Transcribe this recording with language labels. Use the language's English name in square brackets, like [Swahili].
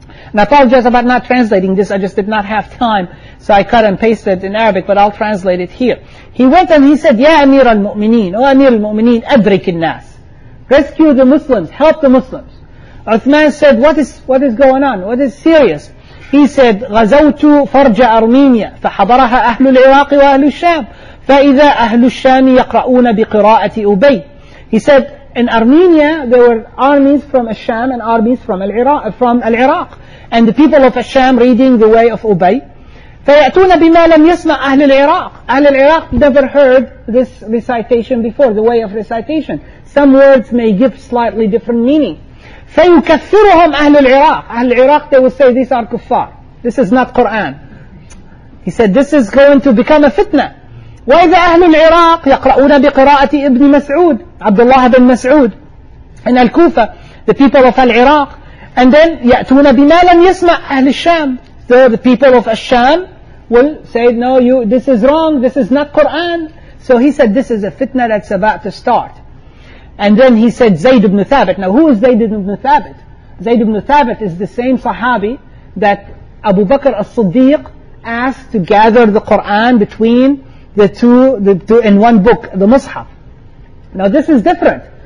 [English] And I apologize about not translating this, I just did not have time, so I cut and pasted in Arabic, but I'll translate it here. He went and he said, Ya Amir al-Mu'mineen, O Amir al-Mu'mineen, [Arabic] Adrik al-Nas. [English] Rescue the Muslims, help the Muslims. Uthman said, what is going on? What is serious? He said, [Arabic] غزوت فرج أرمينيا فحضرها أهل العراق وأهل الشام فإذا أهل الشام يقرؤون بقراءة أبي. [English] He said, in Armenia, there were armies from Asham and armies from Iraq, and the people of Asham reading the way of Ubay. [Arabic] فَيَأْتُونَ بِمَا لَمْ يَسْمَعْ أَهْلُ الْعِرَاقِ. [English] Ahl al-Iraq never heard this recitation before, the way of recitation. Some words may give slightly different meaning. [Arabic] فَيُكَثِّرُهُمْ أَهْلُ الْعِرَاقِ. [English] Ahl al-Iraq, they will say, these are kuffar. This is not Quran. He said, this is going to become a fitna. [Arabic] وَإِذَا أَهْلُ الْعِرَاقِ يَقْرَأُونَ بِقِرَاءَةِ إِبْنِ مَسْعُودِ عَبْدُ بن مسعود [English] in Al-Kufa, the people of Al-Iraq. And then [Arabic] يَأْتُونَ بِمَا لَمْ يَسْمَعْ أَهْلِ الشَّامِ. [English] So the people of Al-Sham will say, no, this is wrong, this is not Quran. So he said, this is a fitna that's about to start. And then he said, Zayd ibn Thabit. Now who is Zayd ibn Thabit? Zayd ibn Thabit is the same Sahabi that Abu Bakr as-Siddiq asked to gather the Quran between the two in one book, the Mus'haf. Now this is different.